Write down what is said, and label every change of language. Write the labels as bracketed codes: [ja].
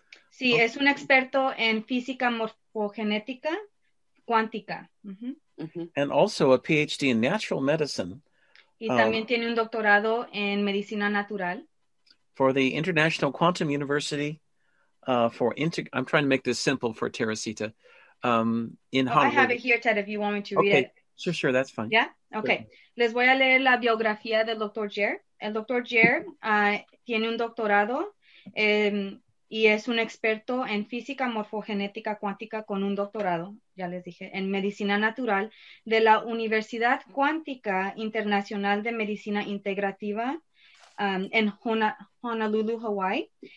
[es] Sí, es un experto en física morfogenética cuántica. Mm-hmm. [en] And also a PhD in natural medicine. [es] Y también tiene un doctorado en medicina natural. [en] For the International Quantum University, I'm trying to make this simple for Teresita, in Hollywood. I have it here, Ted, if you want me to read it. Okay, sure, that's fine. Yeah? Okay. Sure. [es] Les voy a leer la biografía del Dr. Jer. El Dr. Jer tiene un doctorado en... Y es un experto en física morfogenética cuántica con un doctorado, ya les dije, en medicina natural de la Universidad Cuántica Internacional de Medicina Integrativa en Honolulu, Hawaii.